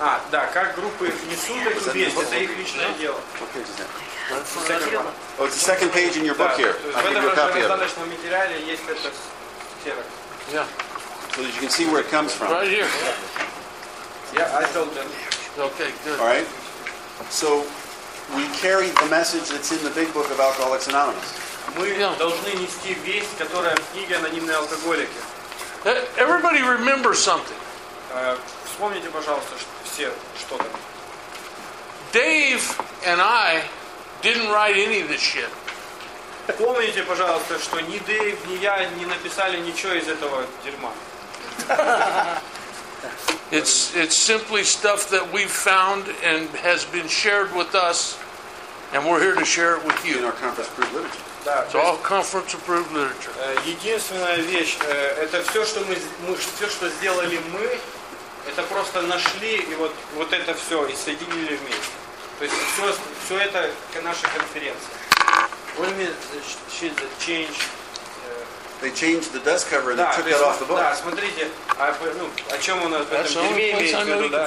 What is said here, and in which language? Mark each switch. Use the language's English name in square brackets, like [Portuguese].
[Russian] Да, как группы несут эту весть, это их личное дело. [English] Oh, it's the second page in your book here. I'll give you a copy of it. Yeah. So that you can see where it comes from. Right here. Yeah, I told them. Okay, good. All right. So we carry the message that's in the big book of Alcoholics Anonymous. [Russian] Мы должны нести весть, которая в книге «Анонимные алкоголики». [English] Everybody remember something. [Russian] Вспомните, пожалуйста, все что-то. [English] Dave and I didn't write any of this shit. [Russian] Помните, пожалуйста, что ни Дэйв, ни я не написали ничего из этого дерьма. [English] It's simply stuff that we've found and has been shared with us And we're here to share it with you. In our conference approved literature. It's all conference approved literature. [Russian] Единственная вещь, это все, что мы, все, что сделали мы, это просто нашли и вот, вот это все и соединили вместе. То есть все, все это наша конференция. [English] What do you mean, the change? They changed the dust cover and they took that off the book. [Russian] Да, смотрите, а, ну, о чем у нас в этом фильме имеется в виду, да,